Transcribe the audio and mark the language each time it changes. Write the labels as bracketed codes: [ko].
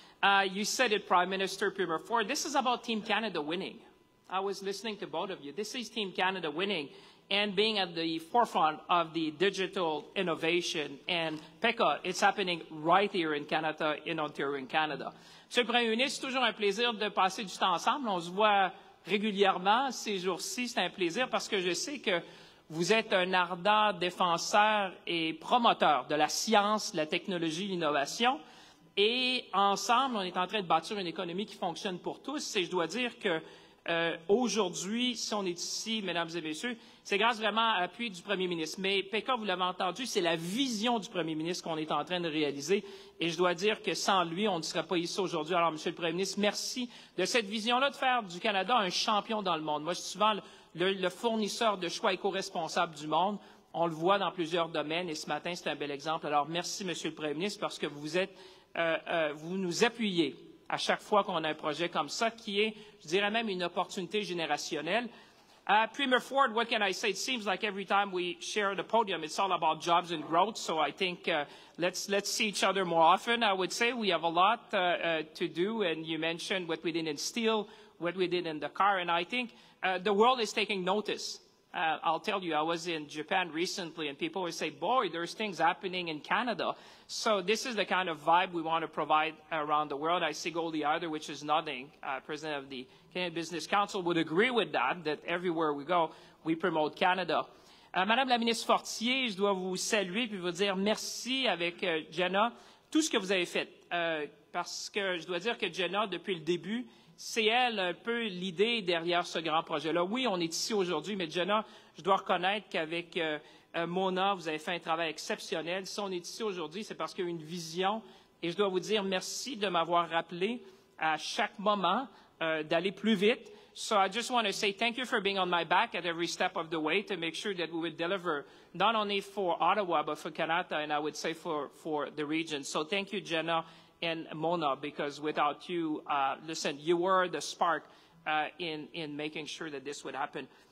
[en] You said it, Prime Minister Premier Ford. This is about Team Canada winning. I was listening to both of you. This is Team Canada winning and being at the forefront of the digital innovation. And Pekka, it's happening right here in Canada, in Ontario, in Canada. [fr] Monsieur le Premier ministre, c'est toujours un plaisir de passer du temps ensemble. On se voit régulièrement ces jours-ci. C'est un plaisir parce que je sais que vous êtes un ardent défenseur et promoteur de la science, de la technologie, l'innovation. Et ensemble, on est en train de bâtir une économie qui fonctionne pour tous. Et je dois dire que Aujourd'hui, si on est ici, mesdames et messieurs, c'est grâce vraiment à l'appui du premier ministre. Mais Pekka, vous l'avez entendu, c'est la vision du premier ministre qu'on est en train de réaliser. Et je dois dire que sans lui, on ne serait pas ici aujourd'hui. Alors, monsieur le premier ministre, merci de cette vision-là de faire du Canada un champion dans le monde. Moi, je suis souvent le fournisseur de choix éco-responsable du monde. On le voit dans plusieurs domaines et ce matin, c'est un bel exemple. Alors, merci, monsieur le premier ministre, parce que vous nous appuyez à chaque fois qu'on a un projet comme ça, qui est, je dirais même, une opportunité générationnelle. [en] Premier Ford, what can I say? It seems like every time we share the podium, it's all about jobs and growth. So I think let's see each other more often. I would say we have a lot to do. And you mentioned what we did in steel, what we did in the car. And I think the world is taking notice. I'll tell you, I was in Japan recently, and people would say, boy, there's things happening in Canada. So this is the kind of vibe we want to provide around the world. I see Goldie Eider, which is nodding, President of the Canadian Business Council, would agree with that, that everywhere we go, we promote Canada. [fr] Madame la ministre Fortier, je dois vous saluer puis vous dire merci avec Jenna, tout ce que vous avez fait. Parce que je dois dire que Jenna, depuis le début, c'est elle un peu l'idée derrière ce grand projet-là. Oui, on est ici aujourd'hui, mais Jenna, je dois reconnaître qu'avec Mona, vous avez fait un travail exceptionnel. Si on est ici aujourd'hui, c'est parce qu'il y a une vision. Et je dois vous dire merci de m'avoir rappelé à chaque moment d'aller plus vite. [en] So I just want to say thank you for being on my back at every step of the way to make sure that we would deliver not only for Ottawa, but for Canada, and I would say for the region. So thank you, Jenna and Mona, because without you, listen, you were the spark in making sure that this would happen.